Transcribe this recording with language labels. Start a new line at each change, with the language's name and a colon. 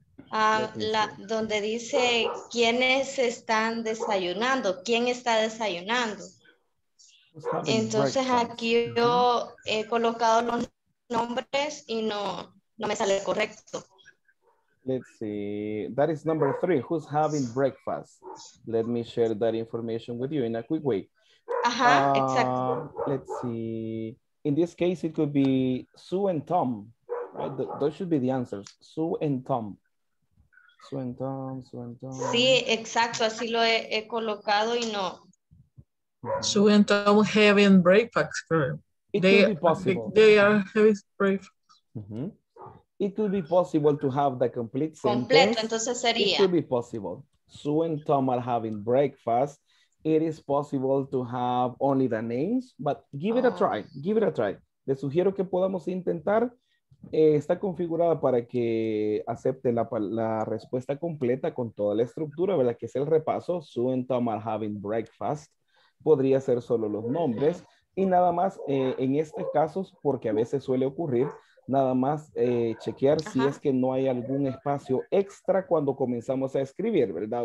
Spanish: La, donde dice quiénes están desayunando, quién está desayunando. Entonces aquí yo he colocado los nombres y no me sale correcto.
English: Let's see, that is number 3, who's having breakfast? Let me share that information with you in a quick way.
Spanish: Ajá, exacto.
English: Let's see, in this case it could be Sue and Tom, right? Those should be the answers, Sue and Tom. Sue and Tom.
Spanish: Sí, exacto, así lo he colocado y no.
English: Sue and Tom having breakfast. They are having breakfast. Mm-hmm. It could be possible to have the complete sentence.
Spanish: Completo, entonces sería.
English: It could be possible. Sue and Tom are having breakfast. It is possible to have only the names, but give it a try.
Spanish: Le sugiero que podamos intentar. Está configurada para que acepte la respuesta completa con toda la estructura, ¿verdad? Que es el repaso.
English: Sue and Tom are having breakfast.
Spanish: Podría ser solo los nombres. Y nada más, en este caso, porque a veces suele ocurrir, nada más chequear si es que no hay algún espacio extra cuando comenzamos a escribir, ¿verdad?